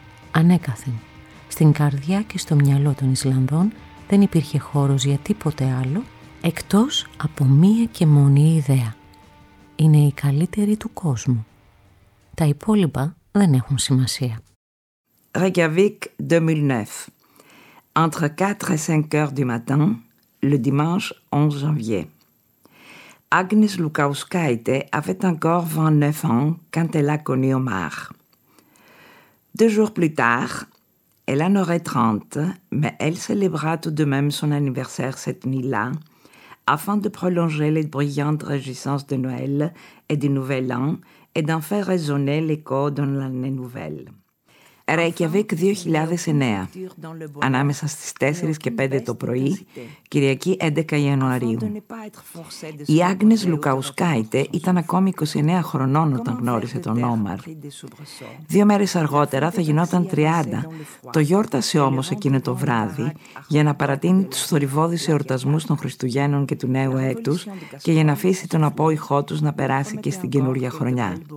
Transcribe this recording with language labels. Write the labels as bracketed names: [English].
[Greek] Ανέκαθεν, στην καρδιά και στο μυαλό των Ισλανδών δεν υπήρχε χώρος για τίποτε άλλο εκτός από μία και μόνη ιδέα. Είναι η καλύτερη του κόσμου. Τα υπόλοιπα δεν έχουν σημασία. [French] Reykjavik 2009. Entre 4 et 5 heures du matin, le dimanche 11 janvier. Agnès Lukauskaite avait encore 29 ans quand elle a connu Omar. Deux jours plus tard, elle en aurait 30, mais elle célébra tout de même son anniversaire cette nuit-là, afin de prolonger les brillantes réjouissances de Noël et du Nouvel An et d'en faire résonner l'écho dans l'année nouvelle. [Greek] Reykjavik 2009, ανάμεσα στις 4 και 5 το πρωί, Κυριακή 11 Ιανουαρίου. Η Άγνες Λουκαουσκάιτε ήταν ακόμη 29 χρονών όταν γνώρισε τον Όμαρ. 2 μέρες αργότερα θα γινόταν 30. Το γιόρτασε όμως εκείνο το βράδυ για να παρατείνει τους θορυβώδεις εορτασμούς των Χριστουγέννων και του Νέου Έτους και για να αφήσει τον απόϊχό τους να περάσει και στην καινούργια χρονιά.